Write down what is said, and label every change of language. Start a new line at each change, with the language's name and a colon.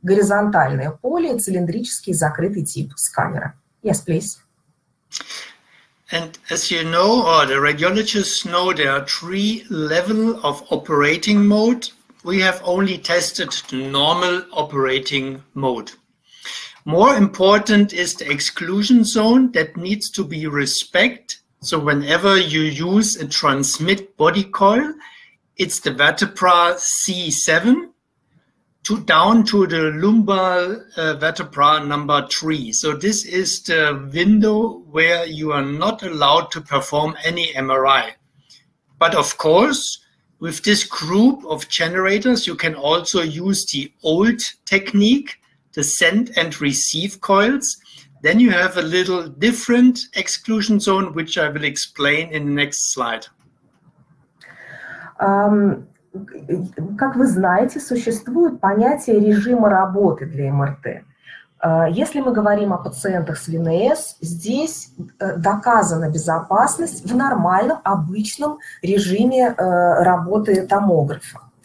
Russian: Горизонтальное поле, цилиндрический закрытый тип сканера.
English: Yes, please. And as you know, or the radiologists know, there are three levels of operating mode. We have only tested the normal operating mode. More important is the exclusion zone that needs to be respected. So whenever you use a transmit body coil, it's the vertebra C7 to down to the lumbar vertebra number 3. So this is the window where you are not allowed to perform any MRI. But of course, with this group of generators, you can also use the old technique, the send and receive coils. Then you have a little different exclusion zone, which I will explain in the next slide.
Russian: Как вы знаете, существует понятие режима работы для МРТ. Если мы говорим о пациентах с ВНС, здесь доказана безопасность в нормальном, обычном режиме работы томографа.